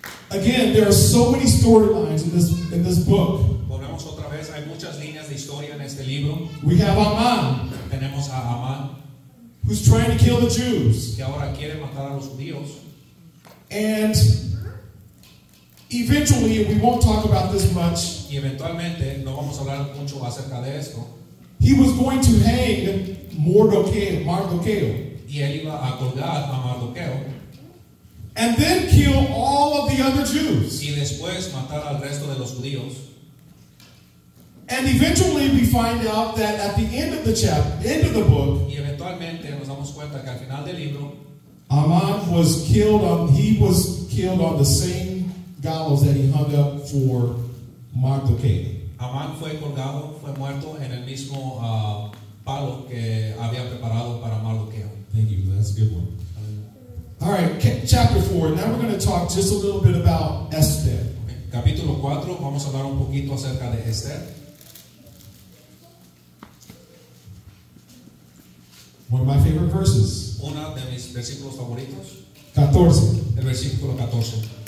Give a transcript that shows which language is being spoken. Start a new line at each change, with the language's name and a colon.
English: Again, there are so many storylines in this book.
Spanish: Volvemos otra vez, hay muchas líneas de historia en este libro.
English: We have Amán.
Spanish: Tenemos a Amán.
English: Who's trying to kill the Jews.
Spanish: Que ahora quiere matar a los judíos.
English: And eventually, we won't talk about this much.
Spanish: Y eventualmente, no vamos a hablar mucho acerca de esto.
English: He was going to hang Mardoqueo.
Spanish: Y él iba a colgar a Mardoqueo.
English: And then kill all of the other Jews.
Spanish: Y después matar al resto de los judíos.
English: And eventually we find out that at the end of the chapter, end of the book,
Spanish: y eventualmente nos damos cuenta que al final del libro,
English: Amán was killed on the same gallows that he hung up for Mardukay.
Spanish: Amán fue colgado, fue muerto en el mismo palo que había preparado para Mardukay.
English: Thank you. That's a good one. All right, chapter 4. Now we're going to talk just a little bit about Esther.
Spanish: Capítulo 4, vamos a hablar un poquito acerca de Esther.
English: One of my favorite verses.
Spanish: Una de mis versículos favoritos.
English: 14.
Spanish: El versículo 14.